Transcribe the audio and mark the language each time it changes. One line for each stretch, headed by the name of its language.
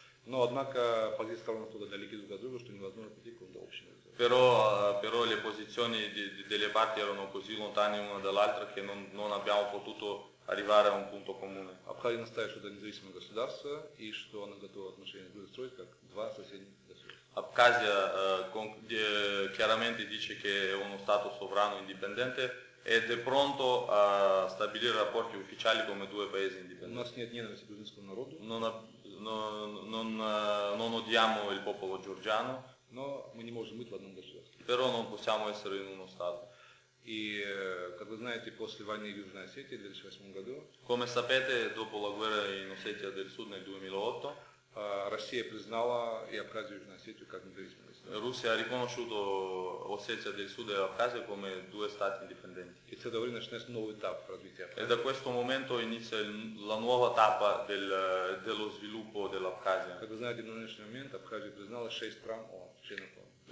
Russian: No, однако позиции сторон оттуда далеки друг от друга, что невозможно прийти к какому-то общему результату.
Italian: Però le posizioni delle parti erano così lontane una dall'altra che non abbiamo potuto arrivare a un punto comune.
Russian: Абхазия настаивает, что это независимое государство и что она готова отношения с Грузией строить как два соседних государства.
Italian: Абхазия chiaramente dice che è uno stato sovrano indipendente ed è pronto a stabilire rapporti ufficiali come due paesi indipendenti.
Russian: У нас нет ненависти к грузинскому народу.
Italian: Non odiamo il popolo georgiano.
Russian: Но мы не можем быть в одном государстве.
Italian: Però non possiamo essere in uno stato.
Russian: И, как вы знаете, после войны в Южной Осетии в 2008 году.
Italian: Come sapete, dopo la guerra in Ossetia del Sud nel 2008.
Russian: Россия признала и Абхазию и Южную Осетию как независимые государства.
Italian: Русия riconosciuto Ossetia del Sud e Abkhazia come due stati indipendenti.
Russian: И с этого времени начинается новый этап развития Абхазии.
Italian: E da questo momento inizia la nuova tappa dello sviluppo dell'Abkhazia.
Russian: Как вы знаете, на нынешний момент Абхазия признала 6 стран ООН, членов ООН.